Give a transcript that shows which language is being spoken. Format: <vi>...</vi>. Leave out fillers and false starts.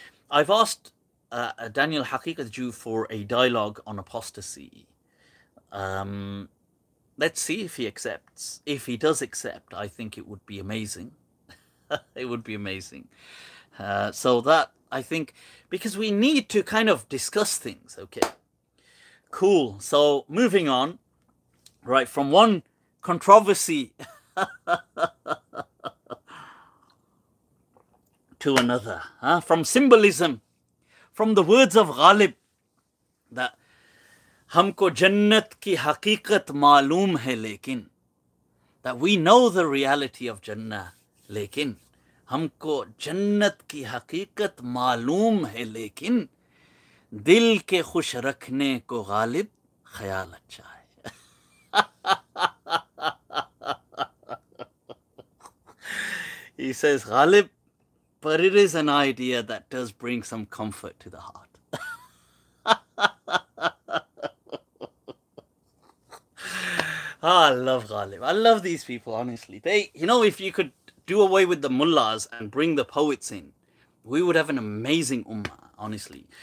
<en>I've asked Daniel Haqiqatju for a dialogue on apostasy. Let's see if he accepts. If he does accept, I think it would be amazing. It would be amazing. So that, I think, because we need to kind of discuss things. Okay, cool. So moving on, right, from one controversy to another, from symbolism, from the words of Ghalib, that</en> <ur>ہمکو جنت کی حقیقت معلوم ہے لیکن,</ur> <en>that we know the reality of Jannah,</en> <ur>لیکن ہمکو جنت کی حقیقت معلوم ہے لیکن دل کے خوش رکھنے کو غالب خیال اچھا ہے.</ur> <en>He says, Ghalib, but it is an idea that does bring some comfort to the heart. Oh, I love Ghalib. I love these people, honestly. They, you know, if you could do away with the mullahs and bring the poets in, we would have an amazing ummah, honestly.</en>